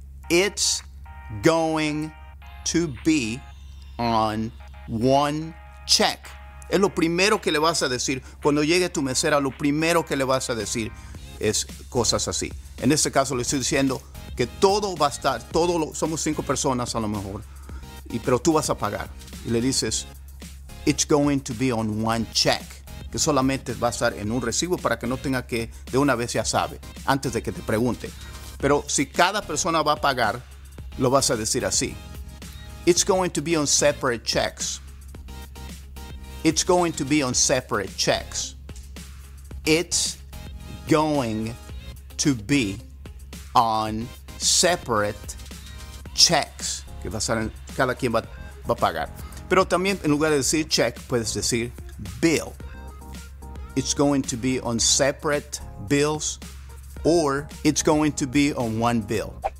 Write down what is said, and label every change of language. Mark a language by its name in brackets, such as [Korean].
[English] It's going to be on one check. [Spanish] Es lo primero que le vas a decir cuando llegue tu mesera. Lo primero que le vas a decir es cosas así. En este caso le estoy diciendo que todo va a estar, somos cinco personas a lo mejor, pero tú vas a pagar. Y le dices, [English] it's going to be on one check. [Spanish] Que solamente va a estar en un recibo para que no tenga que, de una vez ya sabe, antes de que te pregunte. Pero si cada persona va a pagar, lo vas a decir así. [English] It's going to be on separate checks. It's going to be on separate checks. It's going to be on separate checks. [Spanish] Que va a estar en, cada quien va a pagar. Pero también en lugar de decir check, puedes decir bill. [English] It's going to be on separate bills, or it's going to be on one bill.